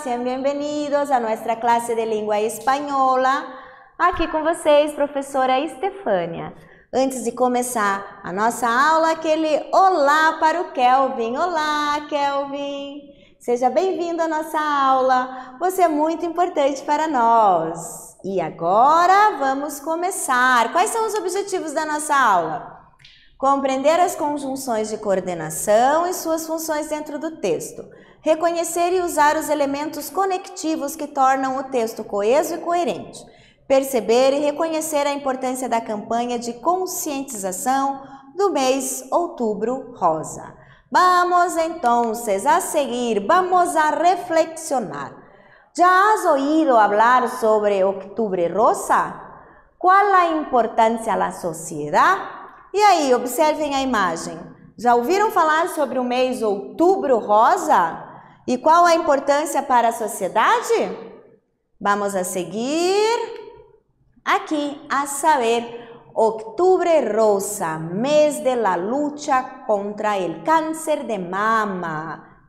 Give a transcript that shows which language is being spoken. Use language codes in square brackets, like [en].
[es] Sean bienvenidos a nuestra clase de lengua española. [pt] Aqui com vocês, professora Estefânia. Antes de começar a nossa aula, aquele olá para o Kelvin. Olá, Kelvin! Seja bem-vindo à nossa aula. Você é muito importante para nós. E agora vamos começar. Quais são os objetivos da nossa aula? Compreender as conjunções de coordenação e suas funções dentro do texto. Reconhecer e usar os elementos conectivos que tornam o texto coeso e coerente. Perceber e reconhecer a importância da campanha de conscientização do mês Outubro Rosa. [es] Vamos entonces a seguir, vamos a reflexionar. ¿Ya has oído hablar sobre Octubre Rosa? ¿Cuál la importancia a la sociedad? [pt] E aí, observem a imagem. Já ouviram falar sobre o mês Outubro Rosa? E qual a importância para a sociedade? [es] Vamos a seguir. Aqui, a saber, Octubre Rosa, mês de la lucha contra el câncer de mama.